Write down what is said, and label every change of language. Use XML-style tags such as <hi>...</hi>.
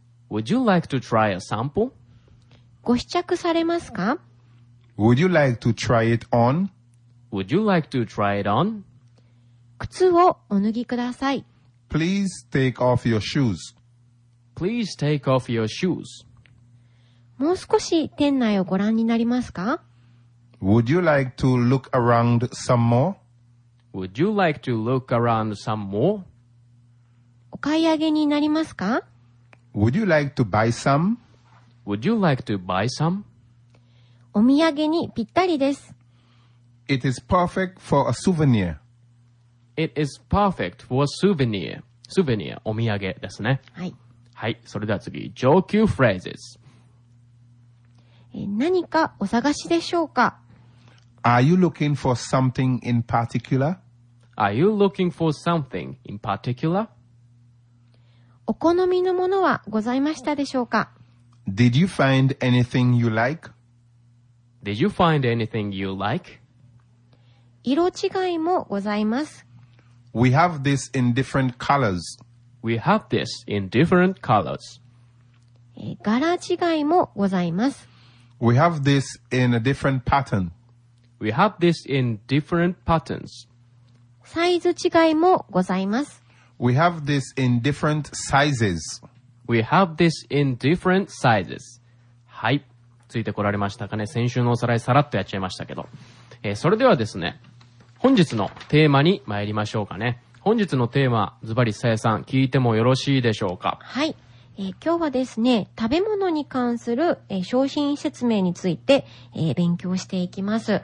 <en>Would you like to try a sample?</en> <ja>ご試着されますか?</ja> <en>Would you like to try it on? Would you like to try it on?</en> <ja>靴をお脱ぎください。</ja> <en>Please take off your shoes. Please take off your shoes.</en> <ja>もう少し店内をご覧になりますか?</ja> <en>Would you like to look around some more? Would you like to look around some more?</en> <ja>お買い上げになりますか?</ja> <en>Would you like to buy some? Would you like to buy some?</en> <ja>お土産にぴったりです。</ja> <en>It is perfect for a souvenir. It is perfect for a souvenir.</en> <ja>Souvenir, お土産ですね。はい。はい、それでは次、上級フレーズ。何かお探しでしょうか?</ja> <en>Are you looking for something in particular? Are you looking for something in particular?</en> <ja>お好みのものはございましたでしょうか?</ja> <en>Did you find anything you like? Did you find anything you like?</en> <ja>色違いもございます。</ja> <en>We have this in different colors. We have this in different colors.</en> <ja>柄違いもございます。</ja> <en>We have this in a different pattern. We have this in different patterns.</en> <ja>サイズ違いもございます。</ja> <en>We have this in different sizes. We have this in different sizes.</en> <ja>はい。ついてこられましたかね。先週のおさらいさらっとやっちゃいましたけど。それではですね、本日のテーマに参りましょうかね。本日のテーマ、ズバリさやさん、聞いてもよろしいでしょうか。はい。今日はですね、食べ物に関する、商品説明について、勉強していきます。</ja>